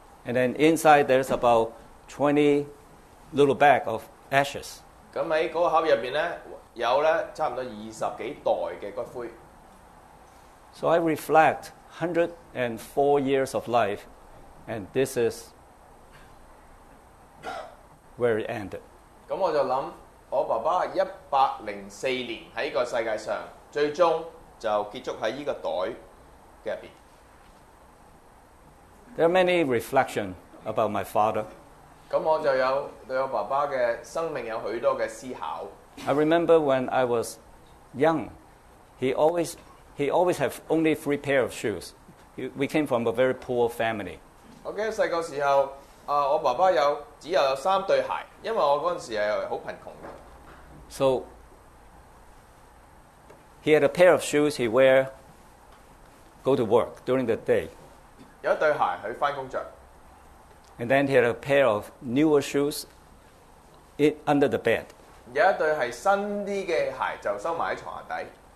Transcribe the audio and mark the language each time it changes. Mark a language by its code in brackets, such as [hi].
[en] And then inside there's about 20 little bag of ashes. [yue] 咁喺嗰個盒入邊咧。有咧，差唔多20多袋嘅骨灰。 [en] So I reflect 104 years of life, and this is where it ended. [yue] 咁我就谂，我爸爸104年喺个世界上，最终就结束喺呢个袋嘅入边。 [en] There are many reflections about my father. [yue] 咁我就有对我爸爸嘅生命有许多嘅思考。 [en] I remember when I was young, he always had only 3 pair of shoes. We came from a very poor family. [yue] 我記得細個時候，我爸爸只有3對鞋，因為我嗰陣時係好貧窮嘅。 [en] So he had a pair of shoes he wear go to work during the day. [yue] 有一對鞋去翻工著。 [en] And then he had a pair of newer shoes under the bed. [yue] 有一對係新啲嘅鞋，就收埋喺牀下底。